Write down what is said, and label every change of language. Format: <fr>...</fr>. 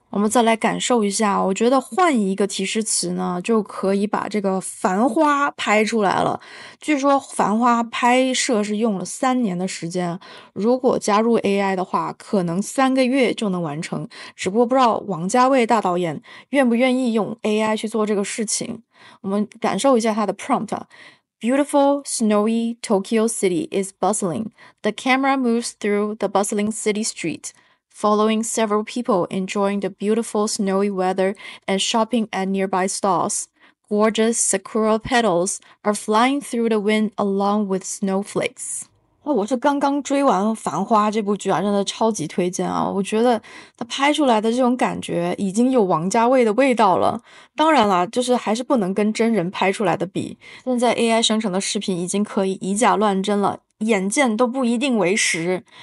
<zh>我们再来感受一下，我觉得换一个提示词呢就可以把这个繁花拍出来了。据说繁花拍摄是用了3年的时间，如果加入 AI 的话可能3个月就能完成，只不过不知道王家卫大导演愿不愿意用 AI 去做这个事情。我们感受一下他的 prompt。</zh> <en>Beautiful, snowy Tokyo city is bustling. The camera moves through the bustling city street. Following several people enjoying the beautiful snowy weather and shopping at nearby stalls, gorgeous sakura petals are flying through the wind along with snowflakes.</en> <zh>哦，我是刚刚追完《繁花》这部剧啊，真的超级推荐啊！我觉得它拍出来的这种感觉已经有王家卫的味道了。当然了，就是还是不能跟真人拍出来的比。现在 AI 生成的视频已经可以以假乱真了，眼见都不一定为实。</zh>